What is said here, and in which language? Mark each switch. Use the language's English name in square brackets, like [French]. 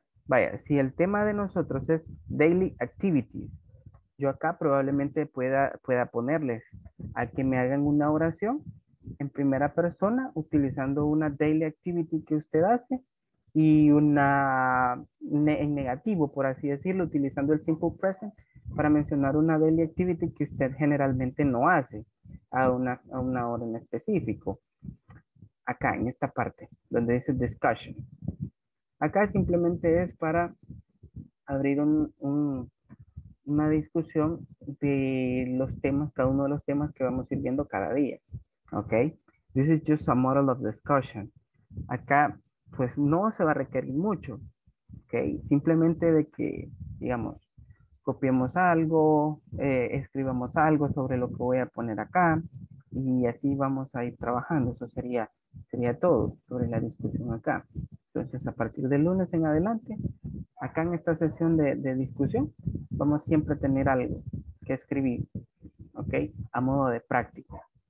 [Spanish] Vaya, si el tema de nosotros es daily activities, yo acá probablemente pueda ponerles a que me hagan una oración en primera persona utilizando una daily activity que usted hace, y una en negativo, por así decirlo, utilizando el simple present para mencionar una daily activity que usted generalmente no hace a una hora en específico. Acá en esta parte donde dice discussion, acá simplemente es para abrir una discusión de los temas, cada uno de los temas que vamos a ir viendo cada día. [English] Ok, this is just a model of discussion. [Spanish] Acá pues no se va a requerir mucho, ok, simplemente de que, digamos, copiemos algo, escribamos algo sobre lo que voy a poner acá, y así vamos a ir trabajando. Eso sería todo sobre la discusión acá. Entonces, a partir del lunes en adelante, acá en esta sesión de discusión, vamos siempre a tener algo que escribir, ok, a modo de práctica.